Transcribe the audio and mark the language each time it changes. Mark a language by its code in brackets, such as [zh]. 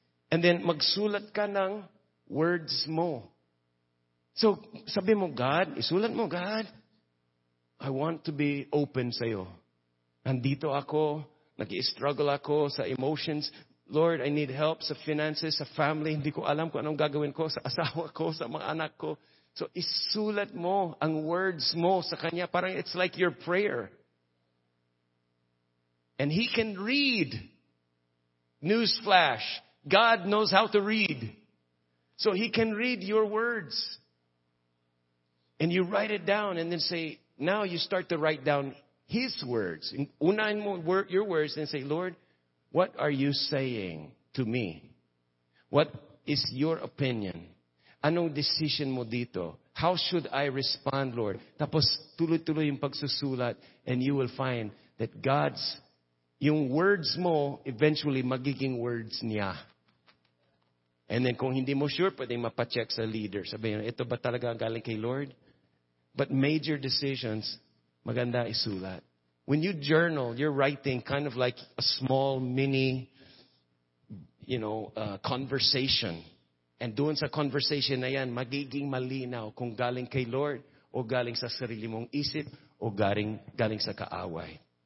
[tl] And then, magsulat ka ng words mo. So, sabi mo, God, isulat mo, God, [en] I want to be open [tl] sa'yo. Nandito ako, nag-i-struggle ako sa emotions. Lord, [en] I need help [tl] sa finances, sa family. Hindi ko alam kung anong gagawin ko sa asawa ko, sa mga anak ko. So, isulat mo ang words mo sa Kanya. Parang [en] it's like your prayer. And He can read. Newsflash. God knows how to read. So, He can read your words. And you write it down and then say, now you start to write down His words. [tl] Unahin mo [en] your words and say, Lord, what are You saying to me? What is Your opinion? [tl] Anong decision mo dito? [en] How should I respond, Lord? [tl] Tapos tuloy-tuloy yung pagsusulat [en] and you will find that God's, [tl] yung words mo, eventually magiging words niya. And then kung hindi mo sure, pwede mapacheck sa leader. Sabi niya, ito ba talaga ang galing kay Lord? [en] But major decisions, [tl] maganda isulat. [en] When you journal, you're writing kind of like a small mini, you know, conversation. [tl] And doon sa conversation na yan, magiging malinaw kung galing kay Lord o galing sa sarili mong isip o galing sa kaaway.